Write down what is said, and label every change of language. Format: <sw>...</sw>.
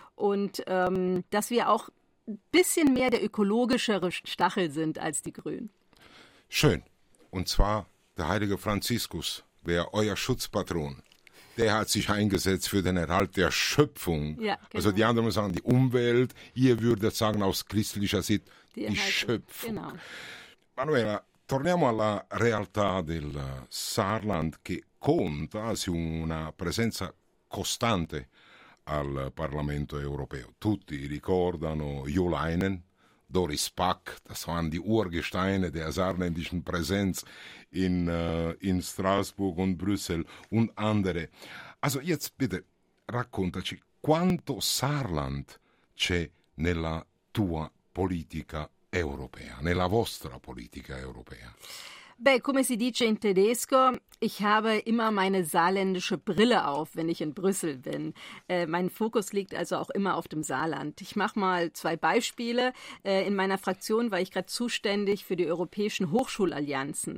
<de>Und dass wir auch ein bisschen mehr der ökologischere Stachel sind als die Grünen. Schön. Und zwar der heilige Franziskus. Wer euer Schutzpatron, der hat sich eingesetzt für den Erhalt der Schöpfung. Ja, genau. Also die anderen sagen die Umwelt, ihr würdet sagen aus christlicher Sicht die Schöpfung. Genau.</de> <it>Manuela, torniamo alla realtà del Saarland, che conta su una presenza costante al Parlamento europeo. Tutti ricordano</it> <de>Jo Leinen, Doris Pack, das waren die Urgesteine der saarländischen Präsenz in Straßburg und Brüssel und andere. Also jetzt bitte,</de> <it>raccontaci, quanto Saarland c'è nella tua politica europea, nella vostra politica europea? Beh, come si dice in tedesco,</it> <de>ich habe immer meine saarländische Brille auf, wenn ich in Brüssel bin. Mein Fokus liegt also auch immer auf dem Saarland. Ich mache mal zwei Beispiele. In meiner Fraktion war ich gerade zuständig für die europäischen Hochschulallianzen.</de>